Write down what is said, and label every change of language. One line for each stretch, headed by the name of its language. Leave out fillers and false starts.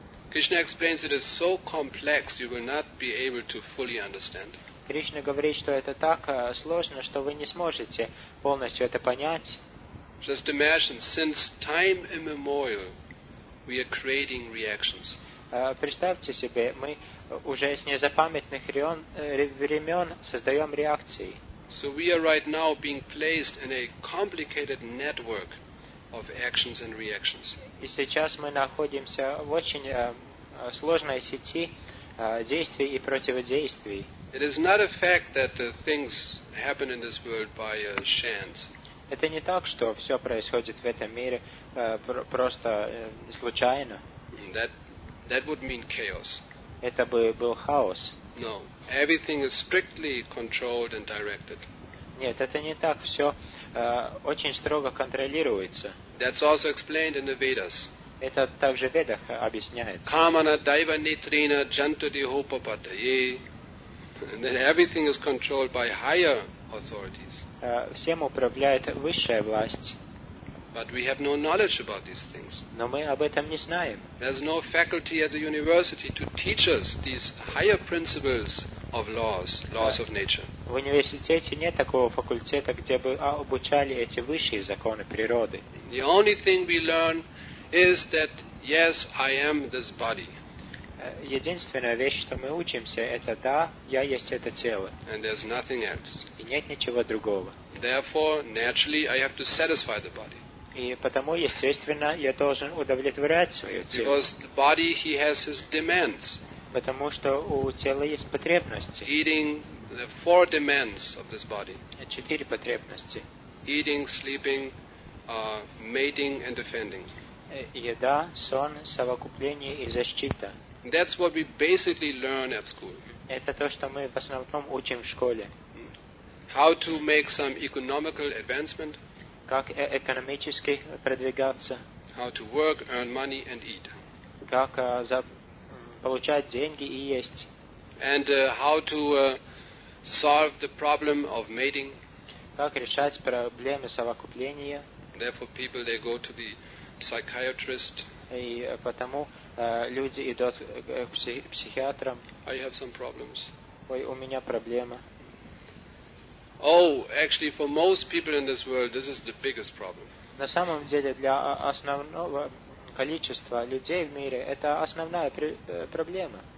English: Krishna explains it is so complex you will not be able to fully understand.
Russian: Кришна говорит, что это так сложно, что вы не сможете полностью это понять.
English: Just imagine, since time immemorial, we are creating reactions.
Russian: Представьте себе, мы уже с незапамятных времен создаем реакции.
English: So we are right now being placed in a complicated network of actions and reactions.
Russian: И сейчас мы находимся в очень сложной сети действий и противодействий.
English: It is not a fact that things happen in this world by chance.
Russian: Это не так, что все происходит в этом мире просто случайно.
English: That would mean chaos.
Russian: Это бы был хаос.
English: No, everything is strictly controlled and directed.
Russian: Нет, это не так. Все очень строго контролируется.
English: That's also explained in the Vedas.
Russian: Это также в Ведах объясняется.
Sanskrit: Камана дайва нитрина джанту дихопапатае.
English: And then everything is controlled by higher authorities.
Russian: Всем управляет высшая власть.
English: But we have no knowledge about these things.
Russian: Но мы об этом не знаем.
English: There's no faculty at the university to teach us these higher principles of laws of nature.
Russian: В университете нет такого факультета, где бы обучали эти высшие законы природы.
English: The only thing we learn is that yes, I am this body.
Russian: Единственная вещь, что мы учимся, это да, я есть это тело.
English: And there's nothing else.
Russian: И нет ничего другого.
English: Therefore, naturally, I have to satisfy the body.
Russian: И потому, естественно, я должен удовлетворять свое тело.
English: Because the body, he has his demands.
Russian: Потому что у тела есть потребности.
English: Eating, the four demands of this body.
Russian: Четыре потребности.
English: Eating, sleeping, mating and defending.
Russian: Еда, сон, совокупление и защита.
English: That's what we basically learn at school.
Russian: Это то, что мы в основном учим в школе.
English: How to make some economical advancement?
Russian: Как экономически продвигаться?
English: How to work, earn money and eat?
Russian: Как получать деньги и есть?
English: And how to solve the problem of mating?
Russian: Как решать проблемы совокупления?
English: Therefore people they go to the psychiatrist.
Russian: И потому люди идут к психиатрам.
English: I have some problems.
Russian: Ой, у меня проблема.
English: Oh, actually, for most people in this world, this is the biggest problem.
Russian: На самом деле, для основного количества людей в мире это основная проблема.